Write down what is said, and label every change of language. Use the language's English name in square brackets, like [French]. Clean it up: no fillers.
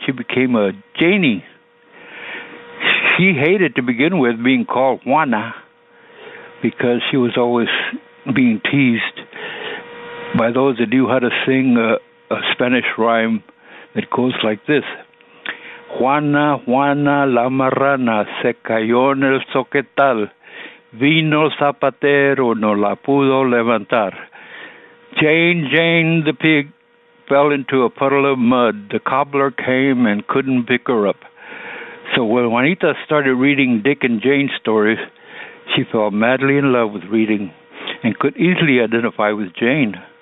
[English] She became a Janie. She hated to begin with being called Juana because she was always being teased by those that knew how to sing a Spanish rhyme that goes like this. [Spanish] Juana, Juana, la marrana, se cayó en el soquetal. Vino zapatero, no la pudo levantar. [English] Jane, Jane, the pig, fell into a puddle of mud. The cobbler came and couldn't pick her up. So when Juanita started reading Dick and Jane stories, she fell madly in love with reading and could easily identify with Jane.